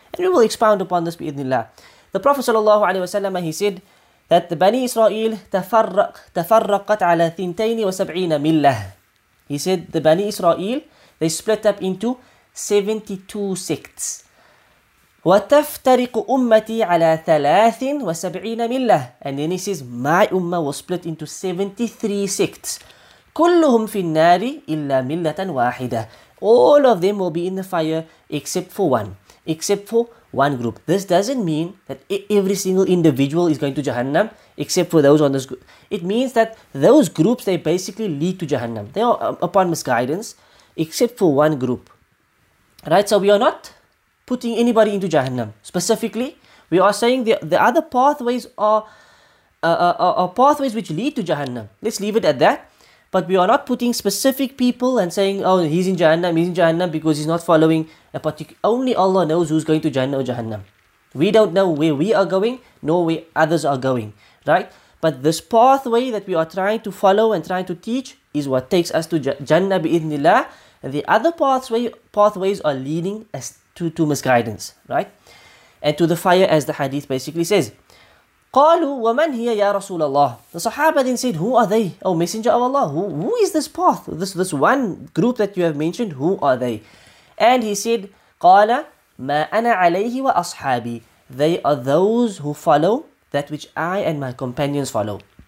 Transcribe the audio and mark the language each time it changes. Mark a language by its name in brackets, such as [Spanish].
[English] And we will expound upon this bi-idhnillah. The Prophet ﷺ, he said that the Bani Israel [Arabic] تفرقت على 72 ملة. [English] He said the Bani Israel, they split up into 72 sects. [Arabic] وتفترق أمتي على 73 ملة. [English] And then he says, my ummah was split into 73 sects. [Arabic] كلهم في النار إلا ملة واحدة. [English] All of them will be in the fire except for one group. This doesn't mean that every single individual is going to Jahannam, except for those on this group. It means that those groups, they basically lead to Jahannam. They are upon misguidance, except for one group. Right? So we are not putting anybody into Jahannam. Specifically, we are saying the other pathways are pathways which lead to Jahannam. Let's leave it at that. But we are not putting specific people and saying, oh, he's in Jahannam because he's not following a particular... Only Allah knows who's going to Jannah or Jahannam. We don't know where we are going, nor where others are going, right? But this pathway that we are trying to follow and trying to teach is what takes us to Jannah bi-idhnillah. And the other pathways are leading us to misguidance, right? And to the fire, as the hadith basically says. [Arabic] قالوا ومن هي يا رسول الله. [English] The Sahaba then said, who are they, O Messenger of Allah? Who is this path? This one group that you have mentioned, who are they? And he said, [Arabic] قال ما أنا عليه وأصحابي. [English] They are those who follow that which I and my companions follow.